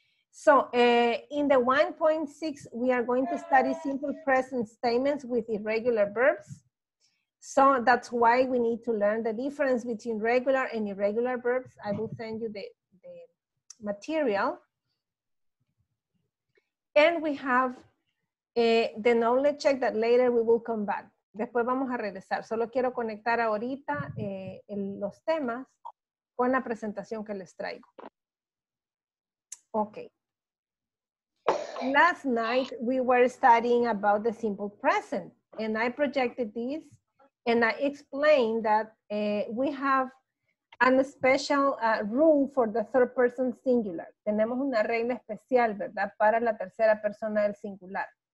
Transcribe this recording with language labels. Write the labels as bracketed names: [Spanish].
[English] So, in the 1.6, we are going to study simple present statements with irregular verbs. So, that's why we need to learn the difference between regular and irregular verbs. I will send you the material. And we have the knowledge check that later we will come back. [Spanish] Después vamos a regresar. Solo quiero conectar ahorita los temas con la presentación que les traigo. [English] Okay. Last night we were studying about the simple present. And I projected this and I explained that we have a special rule for the third person singular. [Spanish] Tenemos una regla especial, ¿verdad? Para la tercera persona del singular.